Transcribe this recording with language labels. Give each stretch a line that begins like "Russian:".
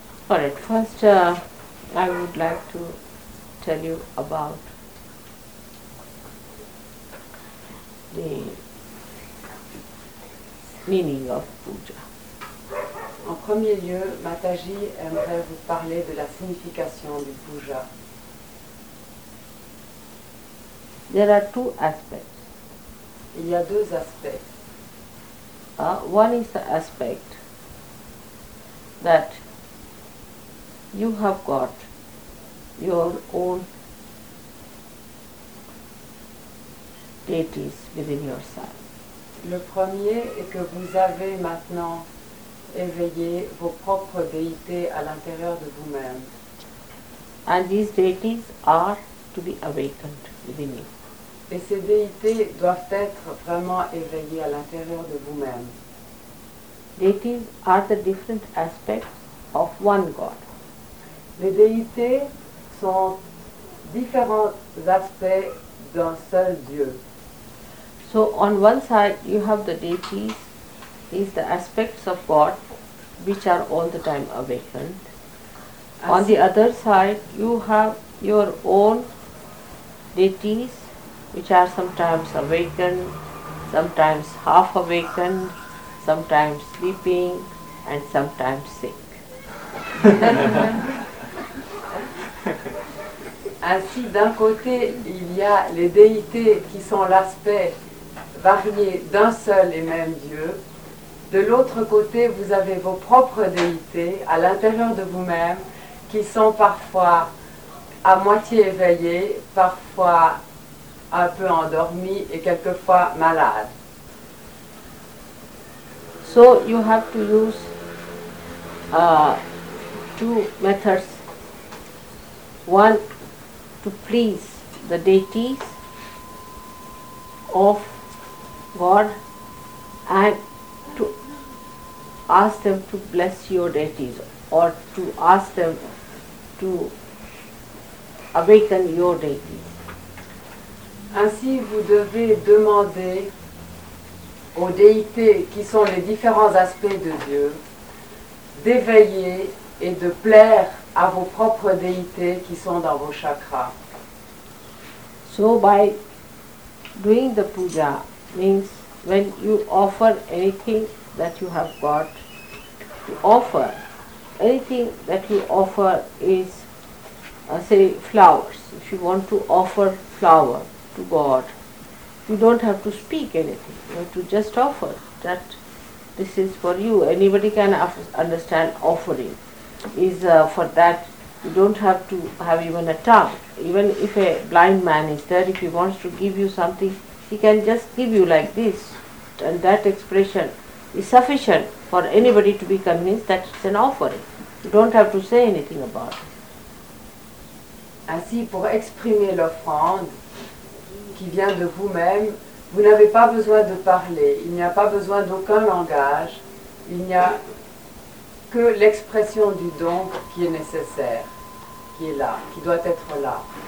English: Alright, first I would like to tell you about the meaning of puja.
French: En premier lieu, Mataji aimerait vous parler de la signification du puja.
English: There are two aspects.
French: Il y a deux aspects.
English: One is the aspect that you have got your own deities within yourself.
French: Le premier est que vous avez maintenant éveillé vos propres déités à l'intérieur de vous-même.
English: And these deities are to be awakened within you.
French: Et ces déités doivent être vraiment éveillées à l'intérieur de vous-même.
English: Deities are the different aspects of one God.
French: Les déités sont différents aspects d'un seul Dieu.
English: So on one side you have the deities, these the aspects of God which are all the time awakened.
French: Ainsi,
English: on the other side you have your own deities which are sometimes awakened, sometimes half awakened, sometimes sleeping and sometimes sick.
French: Ainsi, d'un côté, il y a les déités qui sont l'aspect varié d'un seul et même Dieu. De l'autre côté, vous avez vos propres déités à l'intérieur de vous-même qui sont parfois à moitié éveillées, parfois un peu endormies et quelquefois malades.
English: So you have to use two methods. One, to please the deities of God and to ask them to bless your deities or to ask them to awaken your deities.
French: Ainsi, vous devez demander aux déités qui sont les différents aspects de Dieu d'éveiller et de plaire à vos propres déités qui sont dans vos chakras.
English: So by doing the puja means when you offer anything that you have got to offer, anything that you offer is say flowers. If you want to offer flower to God, you don't have to speak anything, you have to just offer that this is for you. Anybody can understand offering is for that. You don't have to have even a tongue. Even if a blind man is there, if he wants to give you something, he can just give you like this. And that expression is sufficient for anybody to be convinced that it's an offering. You don't have to say anything about it.
French: Ainsi, pour exprimer l'offrande qui vient de vous-même, vous n'avez pas besoin de parler, il n'y a pas besoin d'aucun langage, il n'y a que l'expression du don qui est nécessaire, qui est là, qui doit être là.